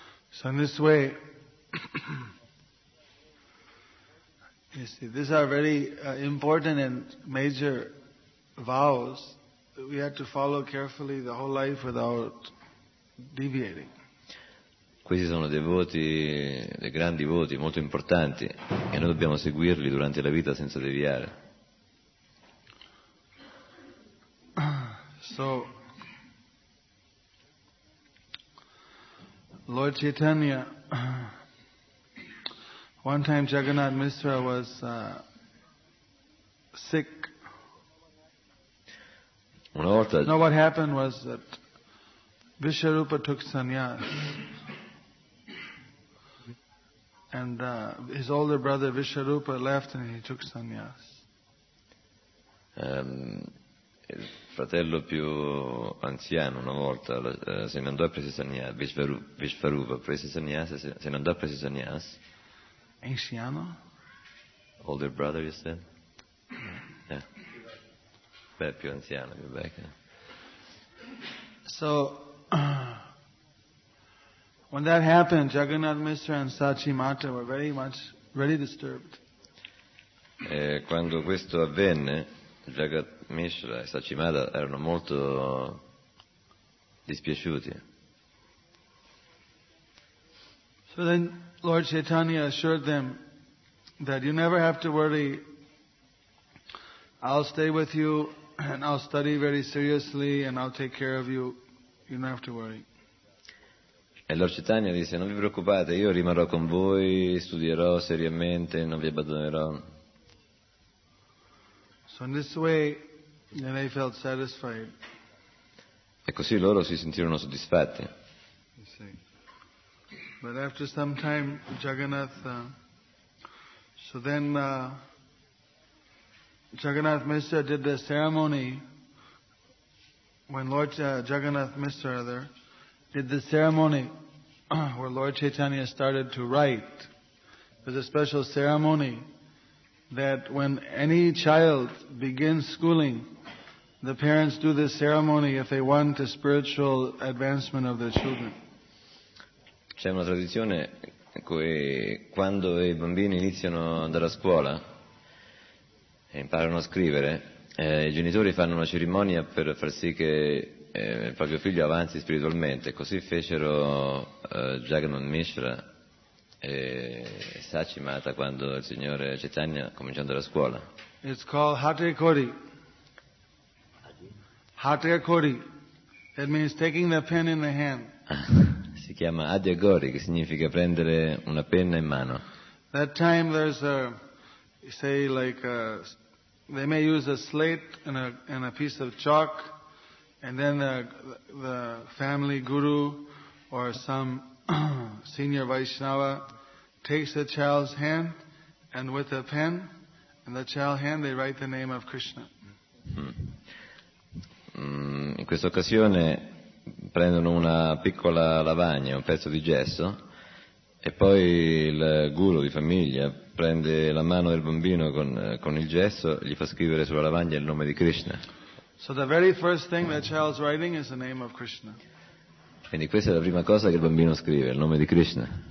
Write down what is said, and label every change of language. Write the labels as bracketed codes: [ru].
[en] So in this way, you see, these are very important and major vows that we have to follow carefully the whole life without deviating. [it] Questi sono dei voti, dei grandi voti, molto importanti, e noi dobbiamo seguirli durante la vita senza deviare. [en] So, Lord Chaitanya, one time Jagannath Misra was sick. [it] Una volta. [en] No, what happened was that Vishwarupa took sannyas. And his older brother Vishwarupa left and he took sannyas. [it] Il fratello più anziano una volta se ne andò a prese sannyas. Vishwarupa prese sannyas e se ne andò a prese sannyas. [es] Anciano? [en] Older brother, you said? Yeah. [it] Beh, più anziano, più vecchio. [en] So, when that happened, Jagannath Misra and Sachi Mata were very much, really disturbed. [it] E quando questo avvenne, Jagannath Misra e Sachi Mata erano molto dispiaciuti. [en] So then, Lord Chaitanya assured them that you never have to worry. I'll stay with you and I'll study very seriously and I'll take care of you. You don't have to worry. [it] E Lord Chaitanya disse, non vi preoccupate, io rimarrò con voi, studierò seriamente, non vi abbandonerò. [en] So in this way, they felt satisfied. [it] E così loro si sentirono soddisfatti. [en] But after some time, Jagannath So then Jagannath Mishra did the ceremony. When Lord Jagannath Mishra there did the ceremony where Lord Chaitanya started to write, there's a special ceremony that when any child begins schooling, the parents do this ceremony if they want the spiritual advancement of their children. [it] C'è una tradizione che quando i bambini iniziano ad andare a scuola e imparano a scrivere, i genitori fanno una cerimonia per far sì che il proprio figlio avanzi spiritualmente. Così fecero Jagannath Mishra e Sachi Mata quando il signore Chaitanya cominciò ad andare a scuola. [en] It's called Hatrikori. Hatrikori. It means taking the pen in the hand. [it] Si chiama Adyagori, che significa prendere una penna in mano. [en] That time there's a, say like a, they may use a slate and a piece of chalk, and then the family guru or some senior Vaishnava takes the child's hand and with a pen and the child's hand they write the name of Krishna. [it] In questa occasione prendono una piccola lavagna, un pezzo di gesso, e poi il guru di famiglia prende la mano del bambino con il gesso e gli fa scrivere sulla lavagna il nome di Krishna. [en] So the very first thing that child's writing is the name of Krishna. [it] Quindi questa è la prima cosa che il bambino scrive, il nome di Krishna.